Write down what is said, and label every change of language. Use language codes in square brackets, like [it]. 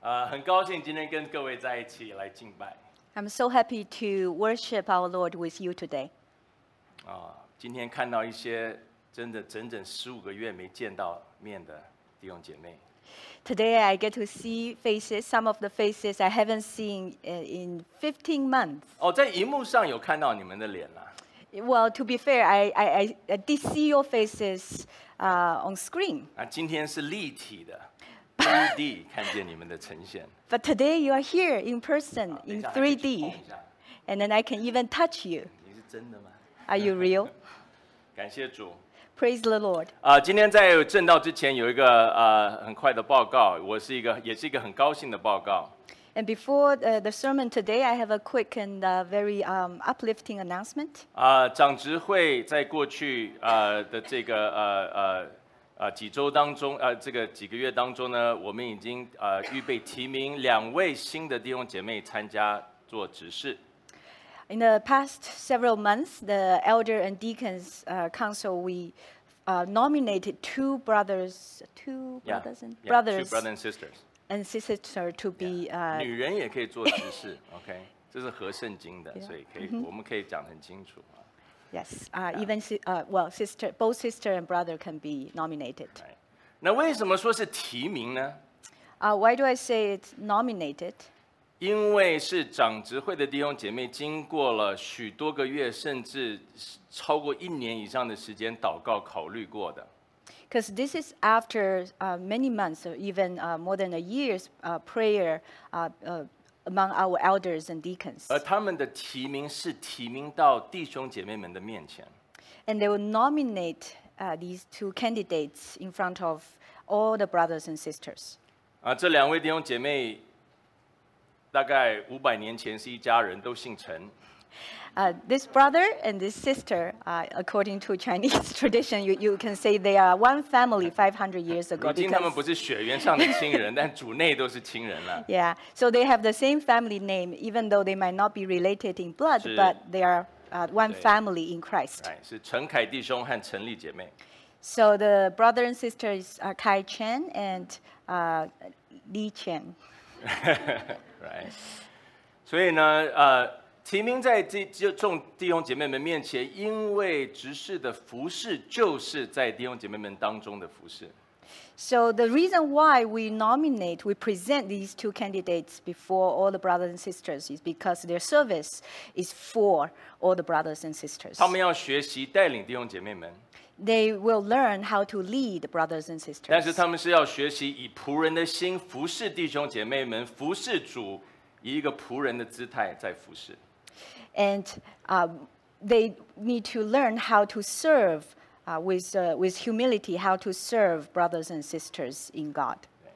[zh] 很高兴今天跟各位在一起来敬拜。 [en] I'm so happy to worship our Lord with you today. [zh] 今天看到一些真的整整十五个月没见到面的弟兄姐妹。 [en] Today I get to see faces, some of the faces I haven't seen in 15 months. [zh] 在荧幕上有看到你们的脸了。 [en] Well, to be fair, I did see your faces on screen. [zh] 今天是立体的 3D 看见你们的呈现。 [en] But today you are here in person in 3D. And then I can even touch you. [zh] 你是真的吗？ [en] Are you real? [zh] 感谢主。 [en] Praise the Lord. [zh] 今天在正道之前有一个很快的报告，我是一个也是一个很高兴的报告。 [en] And before the sermon today, I have a quick and very uplifting announcement. [zh] 长执会在过去的这个几周当中，这个几个月当中呢，我们已经预备提名两位新的弟兄姐妹参加做执事。 [en] In the past several months, the elder and deacons council we nominated two brothers and sisters. And sister to be, [zh] 女人也可以做执事，OK， 这是合圣经的，所以可以，我们可以讲很清楚。 [en] Yes, even sister, both sister and brother can be nominated. Right. [zh] 那为什么说是提名呢？ [en] Why do I say it's nominated? [zh] 因为是长执会的弟兄姐妹经过了许多个月，甚至超过一年以上的时间祷告考虑过的。 [en] Because this is after many months, or even more than a year's prayer among our elders and deacons. [zh] 而他们的提名是提名到弟兄姐妹们的面前。 [en] And they will nominate these two candidates in front of all the brothers and sisters. [zh] 这两位弟兄姐妹大概五百年前是一家人，都姓陈。 [en] This brother and this sister, according to Chinese tradition, you can say they are one family 500 years ago. [zh] 如今他们不是血缘上的亲人，但主内都是亲人了。 [en] Yeah, so they have the same family name, even though they might not be related in blood, but they are one family in Christ. [zh] 是陈凯弟兄和陈丽姐妹。 [en] So the brother and sister is Kai Chen and Li Chen. Right. [zh] 所以呢，提名在这众弟兄姐妹们面前，因为执事的服事就是在弟兄姐妹们当中的服事。 [en] So the reason why we nominate, we present these two candidates before all the brothers and sisters is because their service is for all the brothers and sisters. [zh] 他们要学习带领弟兄姐妹们。 [en] They will learn how to lead brothers and sisters. [zh] 但是他们是要学习以仆人的心服事弟兄姐妹们，服事主，以一个仆人的姿态在服事。 [en] And they need to learn how to serve with humility, how to serve brothers and sisters in God.